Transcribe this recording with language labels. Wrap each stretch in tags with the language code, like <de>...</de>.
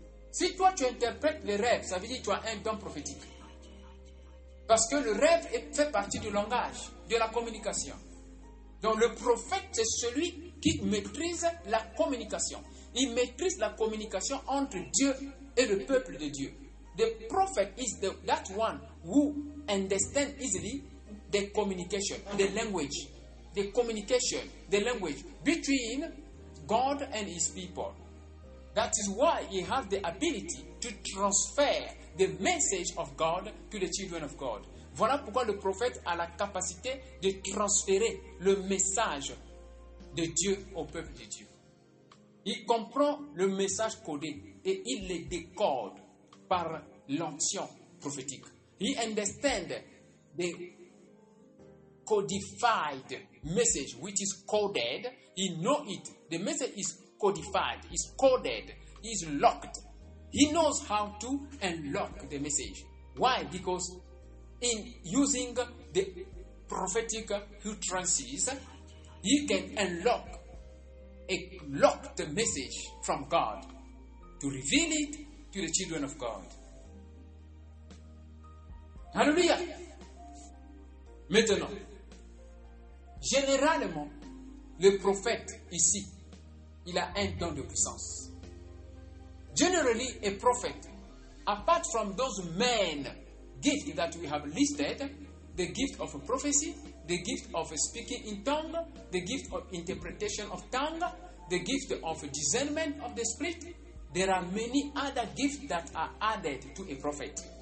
<fr>Si toi tu interprètes les rêves, ça veut dire que tu as un don prophétique. Parce que le rêve fait partie du langage, de la communication. Donc le prophète, c'est celui qui maîtrise la communication. Il maîtrise la communication entre Dieu et le peuple de Dieu.</fr> <en>The prophet is that one who understands easily the communication, the language. The communication, the language between God and his people. That is why he has the ability to transfer the message of God to the children of God.</en> <fr>Voilà pourquoi le prophète a la capacité de transférer le message de Dieu au peuple de Dieu. Il comprend le message codé et il le décode par l'onction prophétique.</fr> <en>He understands the codified message which is coded. He knows it. The message is codified, is coded, is locked. He knows how to unlock the message. Why? Because in using the prophetic utterances, he can unlock a locked message from God to reveal it to the children of God. Hallelujah!</en> <fr>Maintenant, généralement, le prophète ici, il a un don de puissance.</fr> <en>Generally, a prophet, apart from those main gifts that we have listed, the gift of a prophecy, the gift of a speaking in tongue, the gift of interpretation of tongue, the gift of discernment of the spirit, there are many other gifts that are added to a prophet.</en>